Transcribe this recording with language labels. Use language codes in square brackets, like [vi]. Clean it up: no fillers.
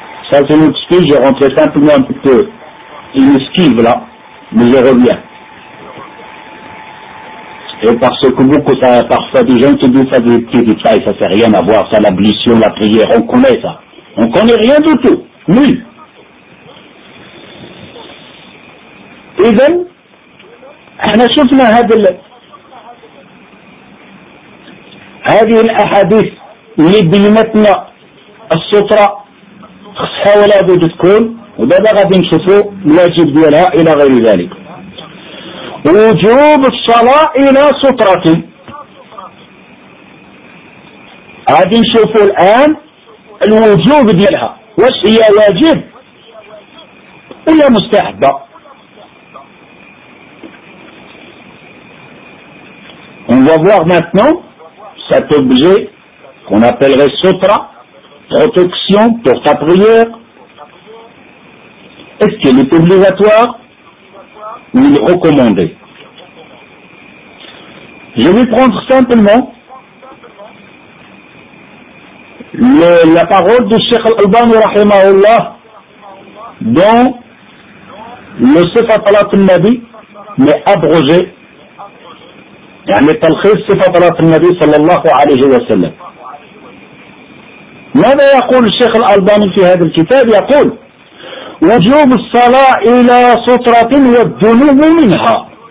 [fr] Ça c'est une excuse, je rentrais simplement un peu une esquive là, mais je reviens. Et parce que beaucoup, ça, parfois des gens qui disent ça, des petits détails, ça fait rien à voir, ça, l'ablution, la prière, on connaît ça. On connaît rien du tout, nul. [ar] إذن احنا شفنا هذه الاحاديث اللي بلمتنا السطرة خصها ولا بد تكون ودابا غادي نشوفوا الواجب ديالها الى غير ذلك. وجوب الصلاة الى سطرة غادي نشوفوا الان الوجوب ديالها واش هي واجب ولا مستحبة. [fr] On va voir maintenant cet objet qu'on appellerait sutra, protection pour ta prière. Est-ce qu'il est obligatoire ou il est recommandé? Je vais prendre simplement la parole du Cheikh Al-Albani rahimahullah dans le Sifat al-Nabi, mais abrogé. [ar] يعني تلخيص صفة صلاة النبي صلى الله عليه وسلم. ماذا يقول الشيخ الألباني في هذا الكتاب؟ يقول وجوب الصلاة إلى سترة والذنوب منها.